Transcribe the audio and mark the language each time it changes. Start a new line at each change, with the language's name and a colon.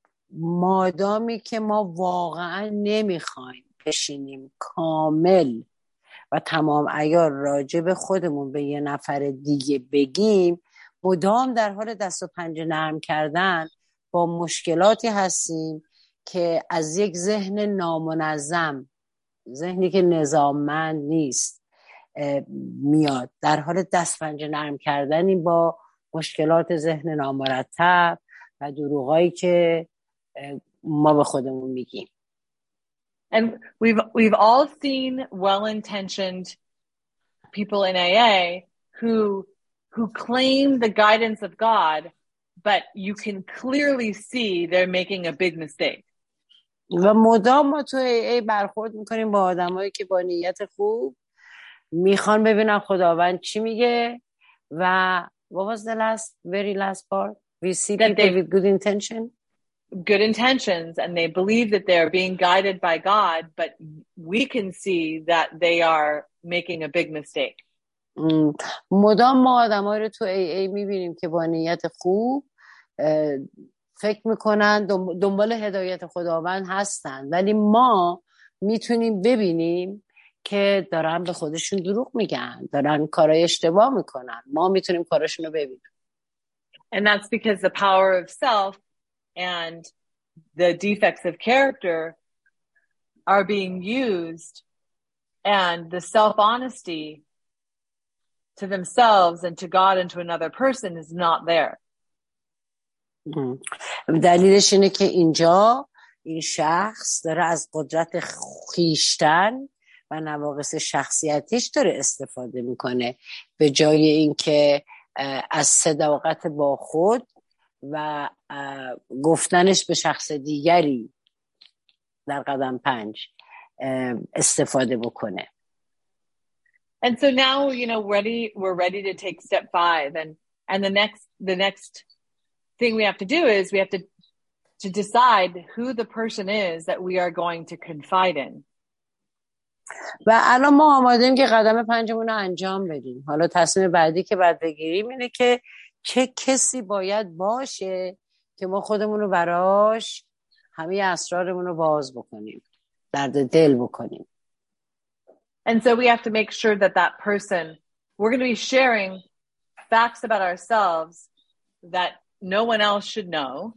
Persian: مادامی که ما واقعا نمیخوایم بشینیم کامل و تمام عیار راجع به خودمون به یه نفر دیگه بگیم، مدام در حال دست و پنجه نرم کردن با مشکلاتی هستیم که از یک ذهن نامنظم، ذهنی که نظاممند نیست میاد، در حال دست و پنجه نرم کردنی با مشکلات ذهن نامرتب و دروغایی که ما به خودمون میگیم.
English: And we've all seen well-intentioned people in AA who claim the guidance of God, but you can clearly see they're making a big mistake.
Persian: و مدام ما تو AA برخورد میکنیم با آدمایی که با نیت خوب میخوان ببینن خداوند چی میگه، و
English: what was the very last part? We see that people with good intention. Good intentions, and they believe that they are being guided by God, but we can see that they are making a big mistake.
Persian: مدام ما آدم های رو تو AA میبینیم که با نیت خوب فکر میکنن دنبال هدایت خداوند هستن، ولی ما میتونیم ببینیم که دارن به خودشون دروغ میگن، دارن کارای اشتباه میکنن، ما میتونیم کارشون رو ببینیم.
English: And that's because the power of self and the defects of character are being used, and the self-honesty to themselves and to God and to another person is not there.
Persian: دلیلش اینه که اینجا این شخص داره از قدرت خیشتن و و نواقص شخصیتش داره استفاده میکنه به جای اینکه از صداقت با خود و گفتنش به شخص دیگری در قدم پنج استفاده بکنه.
English: And so now, you know, we're ready to take step 5 and the next thing we have to do is we have to decide who the person is that we are going to confide in.
Persian: و الان ما آمادیم که قدم پنجمون رو انجام بدیم. حالا تصمیم بعدی که باید بگیریم اینه که چه کسی باید باشه که ما خودمون رو براش همه اسرارمون رو باز بکنیم. درد دل بکنیم.
English: And so we have to make sure that person, we're going to be sharing facts about ourselves that no one else should know.